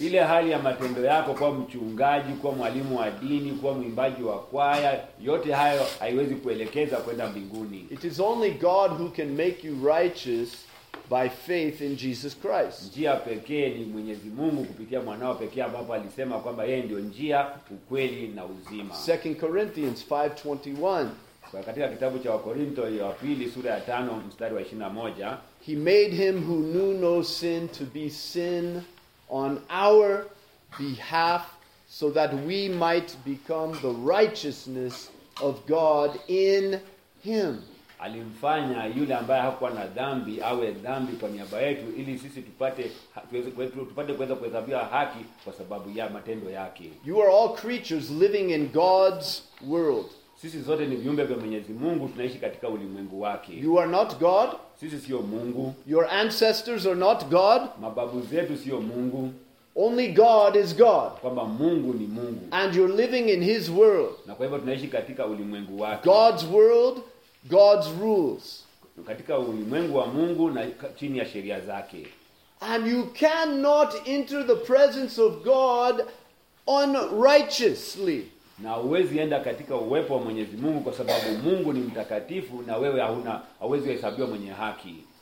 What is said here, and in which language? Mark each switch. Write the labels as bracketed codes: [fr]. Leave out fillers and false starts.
[sw] Ile hali ya matendo yako kwa mchungaji, kwa mwalimu wa dini, kwa mwimbaji wa kwaya, yote hayo haiwezi kuelekeza kwenda mbinguni. [en] It is only God who can make you righteous by faith in Jesus Christ. [sw] Njia pekee ni Mwenyezi Mungu kupitia mwanao pekee ambapo alisema kwamba yeye ndio njia, ukweli na uzima. [en] 2 Corinthians 5:21. [sw] Kwa katika kitabu cha Wakorintho ya 2 sura ya 5 mstari wa 21, [en] he made him who knew no sin to be sin on our behalf so that we might become the righteousness of God in him. [sw] Alimfanya yule ambaye hakuwa na dhambi awe dhambi kwa niaba yetu ili sisi tupate kuweza kuhesabiwa haki kwa sababu ya matendo yake. [en] You are all creatures living in God's world. [sw] Sisi zote ni viumbe vya Mwenyezi Mungu, tunaishi katika ulimwengu wake. [en] You are not God. [sw] Sisi sio Mungu. [en] Your ancestors are not God. [sw] Mababu zetu sio Mungu. [en] Only God is God. [sw] Kwamba Mungu ni Mungu. [en] And you're living in his world. [sw] Na kwa hivyo tunaishi katika ulimwengu wake. [en] God's world, God's rules. [sw] Katika ulimwengu wa Mungu na chini ya sheria zake. [en] And you cannot enter the presence of God unrighteously. [sw] Na uwezi enda katika uwepo wa Mwenyezi Mungu kwa sababu Mungu ni mtakatifu na wewe hauwezi kuhesabiwa mwenye haki.